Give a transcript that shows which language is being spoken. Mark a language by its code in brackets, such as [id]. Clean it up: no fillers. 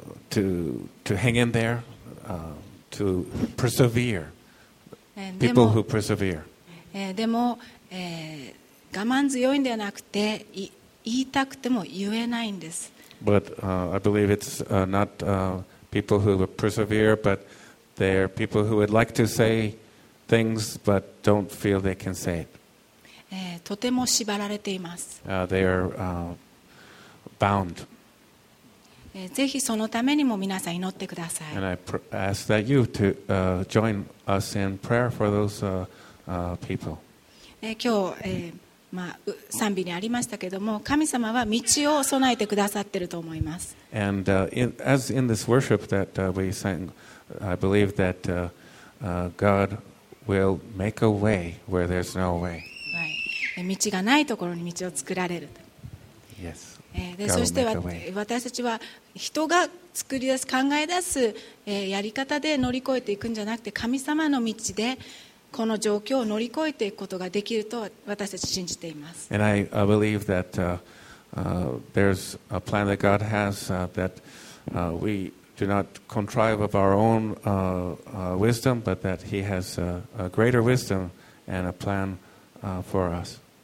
[en] to hang in there to persevere people who persevere [ja] でも、我慢強いんではなくて言いたくても言えないんです [en] but I believe it's notPeople who persevere, but they are people who would like to say things, but don't feel they can say it. [ja] とても縛られています。 [en] They are bound. [ja] ぜひそのためにも皆さん祈ってください。 [en] And I ask that you to join us in prayer for those people. [ja] 今日、まあ、賛美にありましたけれども神様は道を備えてくださっていると思います [en] And, as in this worship that we sang I believe that God will make a way where there's no way、 [ja] はい、道がないところに道を作られる [en] Yes, [ja] でそして私たちは人が作り出す考え出す、やり方で乗り越えていくんじゃなくて神様の道でこの状況を乗り越えていくことができると私たち信じています。 [en] And I believe that there's a plan that God has that we do not contrive of our own wisdom, but that He has a greater wisdom and a plan for us.